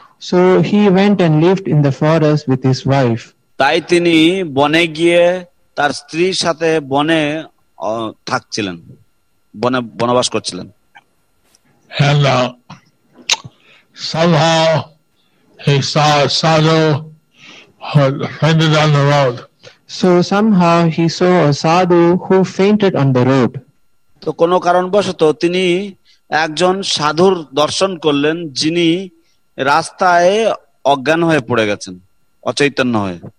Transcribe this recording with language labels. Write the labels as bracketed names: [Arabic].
[English] So he went and lived in the forest with his wife. [Bangla] তাই তিনি বনে গিয়ে তার স্ত্রীর সাথে বনে থাকছিলেন, বনে বনবাস করছিলেন। [English] And somehow he saw a sadhu fainted on the road. So somehow he saw a sadhu who fainted on the road. [Bangla] তো কোনো কারণবশত তিনি একজন সাধুর দর্শন করলেন যিনি রাস্তায় অজ্ঞান হয়ে পড়ে গেছেন, অচৈতন্য হয়ে।